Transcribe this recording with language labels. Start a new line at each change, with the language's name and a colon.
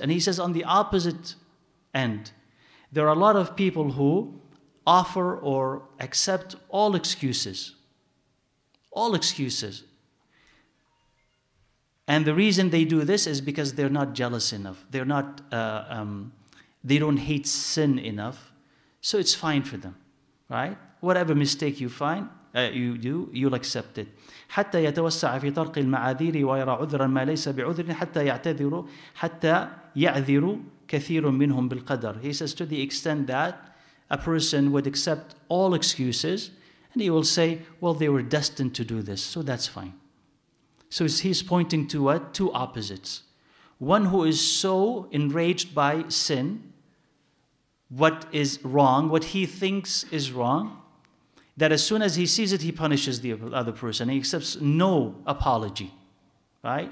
English: And he says, on the opposite end, there are a lot of people who offer or accept all excuses, all excuses. And the reason they do this is because they're not jealous enough. They're not, they don't hate sin enough. So it's fine for them, right? Whatever mistake you find, you do, you'll accept it.
Arabic: حتى يتوسع في طرق المعاذير ويرى عذرا ما ليس بعذر حتى يعتذر حتى يعذر كثير منهم بالقدر.
English: He says, to the extent that a person would accept all excuses, and he will say, well, they were destined to do this, so that's fine. So he's pointing to what? Two opposites. One who is so enraged by sin, what is wrong, what he thinks is wrong, that as soon as he sees it, he punishes the other person. He accepts no apology, right?